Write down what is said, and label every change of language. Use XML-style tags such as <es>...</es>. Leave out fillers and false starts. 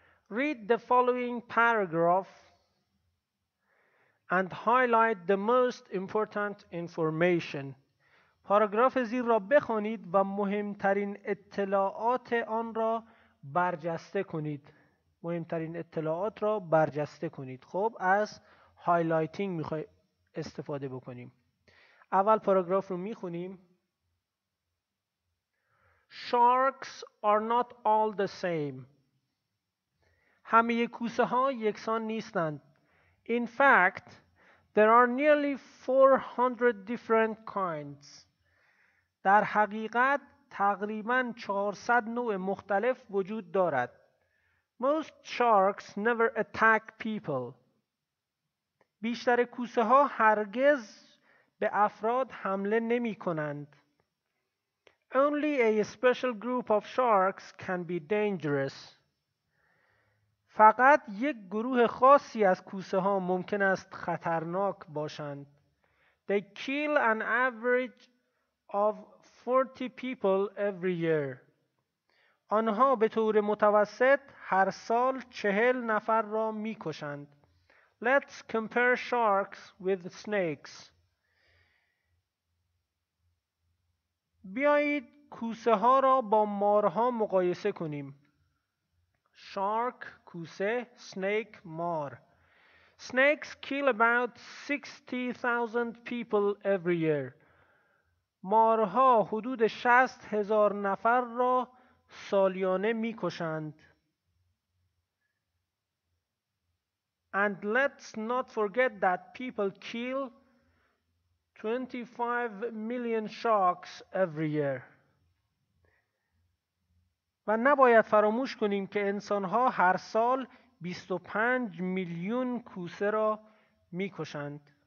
<en>Read the following paragraph and highlight the most important information.</en> <fa>پاراگراف زیر را بخوانید و مهمترین اطلاعات آن را برجسته کنید. مهمترین اطلاعات را برجسته کنید. خب از هایلایتینگ میخوای استفاده بکنیم. اول پاراگراف رو میخونیم.</fa> <en>Sharks are not all the same.</en> <fa>همه کوسه ها یکسان نیستند.</fa> <en>In fact, there are nearly 400 different kinds.</en> <fa>در حقیقت تقریباً 400 نوع مختلف وجود دارد.</fa> <en>Most sharks never attack people.</en> <fa>بیشتر کوسه ها هرگز به افراد حمله نمی کنند.</fa> <en>Only a special group of sharks can be dangerous.</en> <fa>فقط یک گروه خاصی از کوسه ها ممکن است خطرناک باشند.</fa> <en>They kill an average of 40 people every year.</en> <fa>آنها به طور متوسط هر سال 40 نفر را می کشند.</fa> <en>Let's compare sharks with snakes.</en> <fa>بیایید کوسه ها را با مارها مقایسه کنیم.</fa> <en>Shark، کوسه، snake، مار. Snakes kill about 60,000 people every year.</en> <fa>مارها حدود 60,000 نفر را سالیانه می کشند.</fa> <en>And let's not forget that people kill 25 million sharks every year.</en> <fa>و نباید فراموش کنیم که انسان‌ها هر سال 25 میلیون کوسه را می‌کشند.</fa>